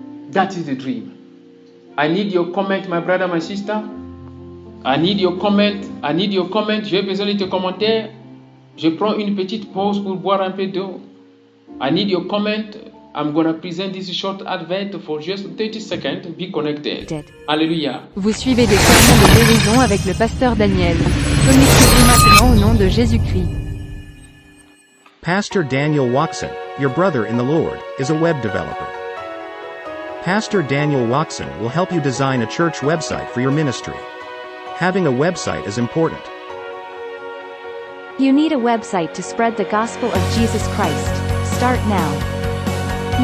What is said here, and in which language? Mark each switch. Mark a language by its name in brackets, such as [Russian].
[English] That is the dream. I need your comment, my brother, my sister. I need your comment, [French] j'ai besoin de tes commentaires. Je prends une petite pause pour boire un peu d'eau. [English] I need your comment. I'm going to present this short advent for just 30 seconds. Be connected. Alléluia. [French] Vous suivez des sermons de guérison avec le pasteur Daniel. Connectez-vous maintenant au nom de Jésus-Christ. [English] Pastor Daniel Watson, your brother in the Lord, is a web developer. Pastor Daniel Watson will help you design a church website for your ministry. Having a website is important. You need a website to spread the gospel of Jesus Christ. Start now.